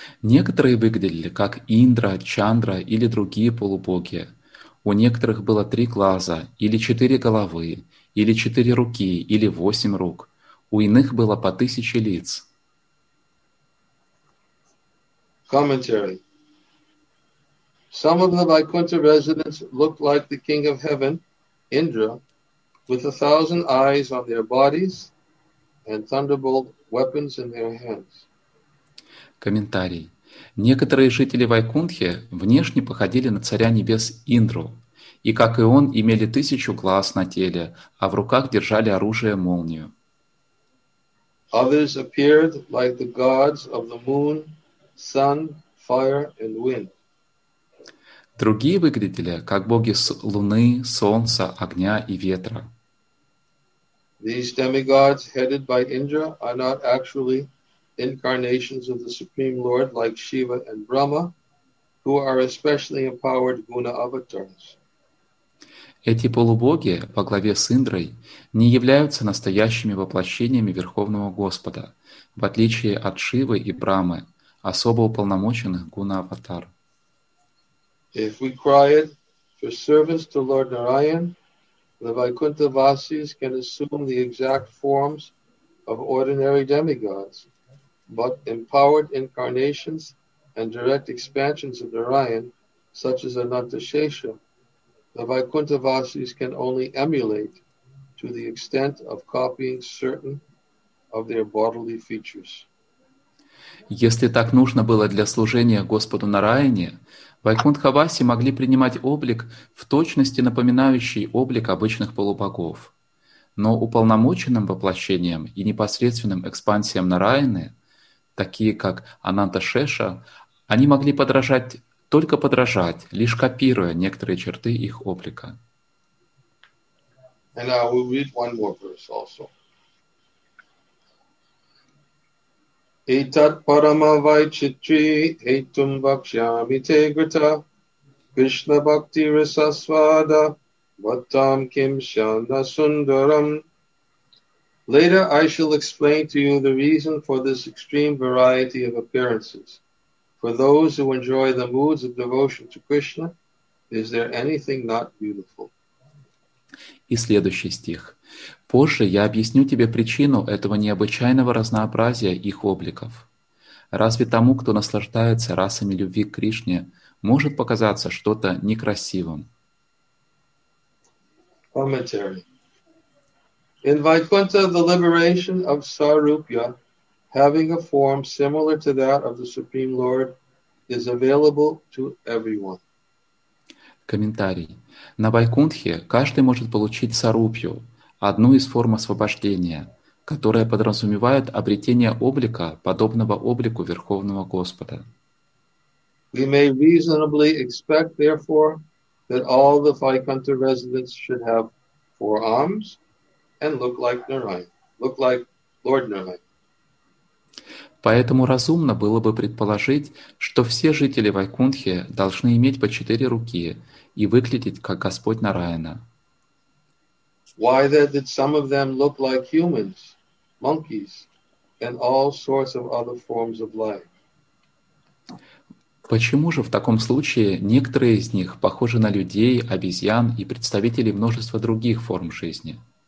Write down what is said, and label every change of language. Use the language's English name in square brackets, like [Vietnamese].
[Russian] Некоторые выглядели как Индра, Чандра или другие полубоги. У некоторых было три глаза, или четыре головы, или четыре руки, или восемь рук. У иных было по тысяче лиц. [English] Commentary. Some of the Vaikuntha residents looked like the King of Heaven, Indra, with a thousand eyes on their bodies and thunderbolt weapons in their hands. [Russian] Комментарий. Некоторые жители Вайкунтхи внешне походили на Царя Небес Индру, и, как и он, имели тысячу глаз на теле, а в руках держали оружие молнию. [English] Others appeared like the gods of the moon, sun, fire and wind. [Russian] Другие выглядели как боги луны, солнца, огня и ветра. [English] These demigods headed by Indra are not actually incarnations of the Supreme Lord like Shiva and Brahma, who are especially empowered guna avatars. [Russian] Эти полубоги во главе с Индрой не являются настоящими воплощениями Верховного Господа, в отличие от Шивы и Брамы, особо уполномоченных гуна-аватар. [English] If we cry it for service to Lord Narayan, the Vaikuntha Vasis can assume the exact forms of ordinary demigods, but empowered incarnations and direct expansions of Narayan, such as Ananta Shesha, the Vaikuntha Vasis can only emulate to the extent of copying certain of their bodily features. [Russian] Если так нужно было для служения Господу Нараяне, Вайкунтхаваси могли принимать облик, в точности напоминающий облик обычных полубогов. Но уполномоченным воплощением и непосредственным экспансиям Нараяны, такие как Ананта Шеша, они могли подражать, только подражать, лишь копируя некоторые черты их облика. [English] And I will read one more verse also. [Sanskrit] Etat parama vaichitri etum bhakshyami te grita Krishna bhakti rasasvada vatam kim shana sundaram. [English] Later I shall explain to you the reason for this extreme variety of appearances. For those who enjoy the moods of devotion to Krishna, is there anything not beautiful? [Russian] И следующий стих. Позже я объясню тебе причину этого необычайного разнообразия их обликов. Разве тому, кто наслаждается расами любви к Кришне, может показаться что-то некрасивым? [English] Commentary. In Vaikuntha, the liberation of Sarupya, having a form similar to that of the Supreme Lord, is available to everyone. [Russian] Комментарий. На Вайкунтхе каждый может получить сарупью, одну из форм освобождения, которая подразумевает обретение облика, подобного облику Верховного Господа. [English] We may reasonably expect, therefore, that all the Vaikuntha residents should have four arms and look like Narayan, look like Lord Narayan. [Russian] Поэтому разумно было бы предположить, что все жители Вайкунтхи должны иметь по четыре руки и выглядеть как Господь Нараяна. [English] Why then did some of them look like humans, monkeys, and all sorts of other forms of life? [Russian] Почему же в таком случае некоторые из них похожи на людей, обезьян и представителей множества других форм жизни?